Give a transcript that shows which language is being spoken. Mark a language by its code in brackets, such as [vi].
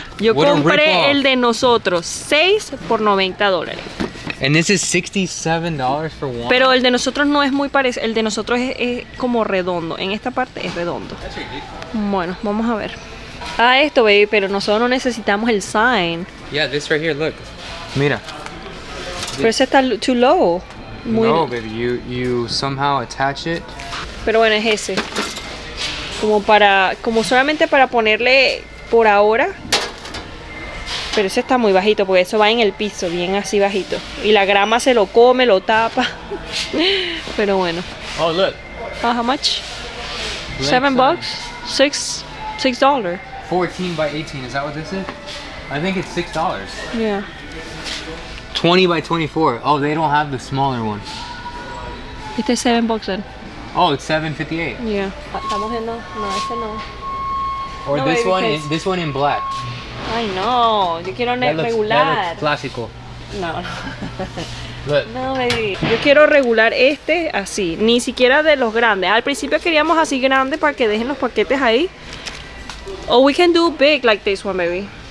[es] Yo [en] what [es] compré el de nosotros, 6 por $90. [en] And this is $67 for one? [es] Pero el de nosotros no es muy parecido, el de nosotros es como redondo. En esta parte es redondo. Bueno, vamos a ver. Ah, esto, baby, pero nosotros no necesitamos el sign. [en] Yeah, this right here, look. [es] Mira. Pero ese está [en] too low. [es] Muy no, [en] baby, you somehow attach it. [es] Pero bueno, es ese. Como para, como solamente para ponerle por ahora. Pero ese está muy bajito, porque eso va en el piso, bien así bajito. Y la grama se lo come, lo tapa. Pero bueno. [en] Oh, look. How much? Blank $7? $6? 14 by 18, is that what this is? I think it's $6. Yeah. 20 by 24. Oh, they don't have the smaller one. [es] Este es 7 [en] bucks then. Oh, it's 7.58. Yeah. [es] Estamos viendo. No, ese no. [en] Or no, this baby, one, this one in black. [es] Ay, no. Yo quiero regular. [en] That looks [es] clásico. [en] No. Look. No, baby. [es] Yo quiero regular este así. Ni siquiera de los grandes. Al principio queríamos así grande para que dejen los paquetes ahí. [en] Or we can do big like this one, baby.